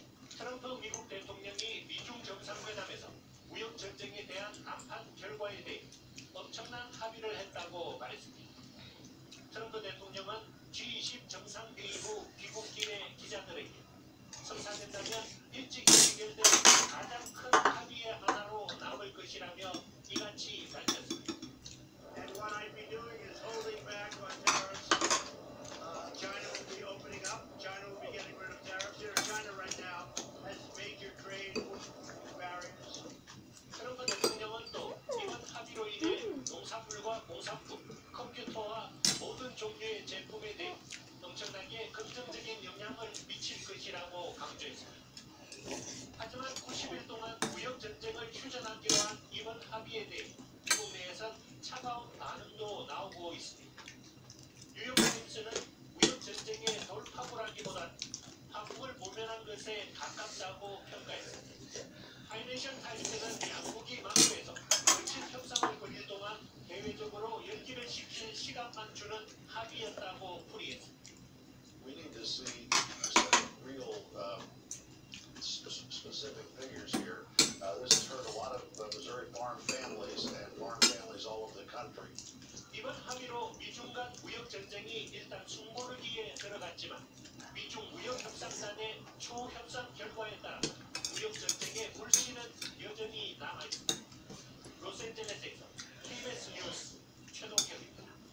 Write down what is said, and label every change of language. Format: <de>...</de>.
<ko>트럼프 미국 대통령이 미중 정상회담에서 무역 전쟁에 대한 안판 결과에 대해 엄청난 합의를 했다고 말했습니다. 트럼프 대통령은 G20 정상회의 후 귀국길에 기자들에게 성사된다면 일찍 해결된 가장 큰 합의의 하나로 남을 것이라며 이같이 밝혔습니다.</ko> <en>And what I'd be doing is holding back on tariffs. China will be opening up. China will be getting rid of tariffs. Here, China right now has major trade barriers.</en> <ko>트럼프 대통령은 또 이번 합의로 인해 농산물과 공산품, 컴퓨터와 모든 종류의 제품에 대해 엄청나게 긍정적인 영향을 미칠 것이라고 강조했습니다. 하지만 90일 동안 무역 전쟁을 휴전하기 위한 이번 합의에 대해 미국 내에서는 차가운 반응도 나오고 있습니다. 뉴욕타임스는 무역 전쟁의 돌파구라기보단 한국을 모면한 것에 가깝다고 평가했습니다. 파이낸셜 타임스는 양국이 만회에서 불친 협상을 벌일 동안 대외적으로 연기를 시키는 시간만 주는 합의였다고 풀이했습니다.</ko> <en>We need to see some real specific figures here. This has hurt a lot of Missouri farm families and farm families all over the country.</en> <ko>이번 합의로 미중 간 무역 전쟁이 일단 숨고르기에 들어갔지만 미중 무역 협상단의 추후 협상 결과에 따라 무역 전쟁의 불씨는 여전히 남아있습니다. 로스앤젤레스에서 KBS 뉴스 최동경입니다.</ko>